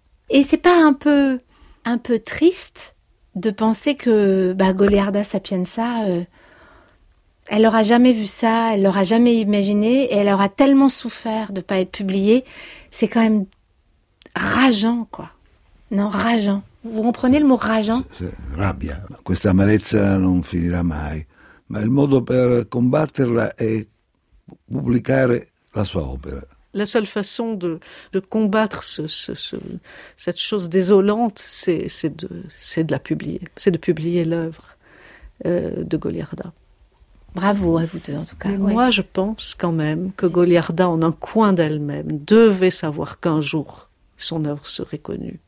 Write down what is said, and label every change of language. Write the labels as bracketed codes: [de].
[fr] Et c'est pas un peu triste de penser que Goliarda Sapienza... elle n'aura jamais vu ça, elle n'aura jamais imaginé, et elle aura tellement souffert de ne pas être publiée. C'est quand même rageant, quoi. Non, rageant. Vous comprenez le mot rageant? [it] Rabbia. Questa amarezza non finirà mai. Ma il modo per combatterla è pubblicare la sua opera. [fr] La seule façon de combattre cette chose désolante, c'est de la publier. C'est de publier l'œuvre de Goliarda. Bravo à vous deux, en tout cas. Ouais. Moi, je pense quand même que Goliarda, en un coin d'elle-même, devait savoir qu'un jour, son œuvre serait connue.